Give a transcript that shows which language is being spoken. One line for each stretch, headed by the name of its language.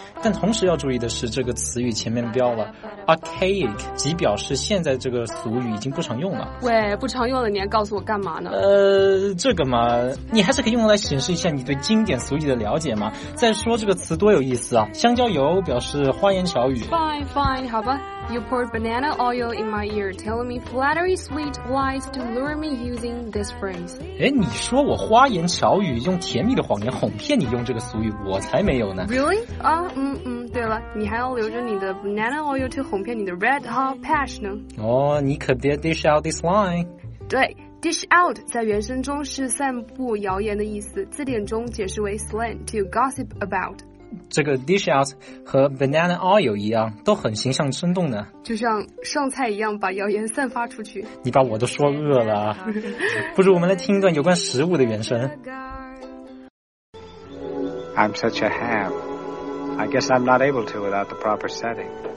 Chinese: 但同时要注意的是这个词语前面标了 archaic, 即表示现在这个俗语已经不常用了。喂，不常用了你还告诉我干嘛呢？这个嘛，你还是可以用来显示一下你对经典俗语的了解嘛。再说这个词多有意思啊，香蕉油表示花言巧语。
English: Fine, fine,
Chinese: 好吧。
English: You poured banana oil in my ear, telling me flattery sweet lies to lure me using this phrase.
Chinese: 诶，你说我花言巧语，用甜蜜的谎言哄骗你用这个俗语，我才没有呢。
English: Really?
Chinese: 啊，嗯嗯，对了，你还要留着你的
English: banana oil to
Chinese: 哄骗你的
English: red hot patch
Chinese: 呢。哦，你可别
English: dish out this line。
Chinese: 对。Dish out 在原声中是散布谣言的意思，字典中解释为
English: slang to gossip about。
Chinese: 这个 dish out 和 banana oil 一样，都很形象生动呢。就像上菜一样，把谣言散发出去。你把我都说饿了，不如我们来听一段有关食物的原声。
English: I'm such a ham. I guess I'm not able to without the proper setting.